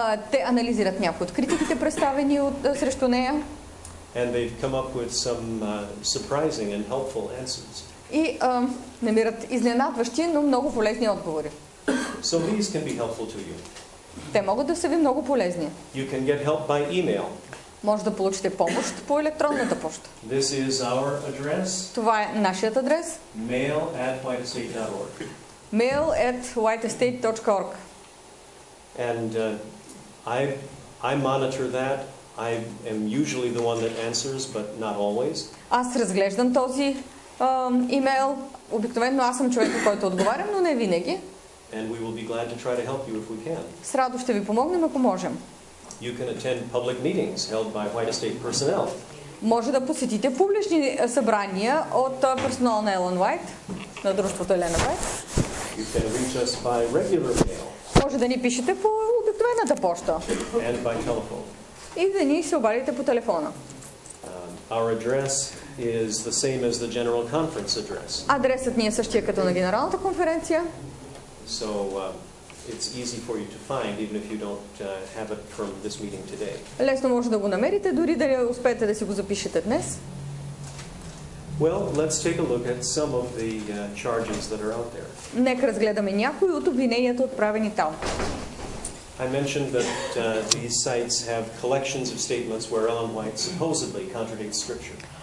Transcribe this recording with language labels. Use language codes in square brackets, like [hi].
[bg] Те анализират някои от критиките, представени срещу нея. [en] And they've come up with some surprising and helpful answers. [bg] И намират изненадващи, но много полезни отговори. [en] So these can be helpful to you. [bg] Те могат да са ви много полезни. [en] You can get help by email. [bg] Може да получите помощ по електронната поща. [en] This is our address. [bg] Това е нашият адрес. [en] mail@whiteestate.org. [bg] mail@whiteestate.org. [en] And I monitor that. I am usually the one that answers, but not always. [bg] Аз разглеждам този имейл. Обикновено аз съм човекът, който отговарям, но не винаги. [en] And we will be glad to try to help you if we can. [bg] С радост ще ви помогнем, ако можем. [en] You can attend public meetings held by White Estate personnel. [bg] Може да посетите публични събрания от персонал на Ellen White, на дружеството Елена Вайт. [en] You can reach us by regular mail. [bg] Може да ни пишете по обикновената поща. [en] And by telephone. [bg] И да ни се обадите по телефона. [en] Our address is the same as the general conference address. [bg] Адресът ни е същия като на генералната конференция. [en] So it's easy for you to find, even if you don't have it from this meeting today. [bg] Лесно може да го намерите, дори да успеете да си го запишете днес. [en] Well, let's take a look at some of the charges that are out there. [bg] Нека разгледаме някои от обвиненията отправени там. [en] I mentioned that these sites have collections of statements where Ellen White supposedly contradicts scripture.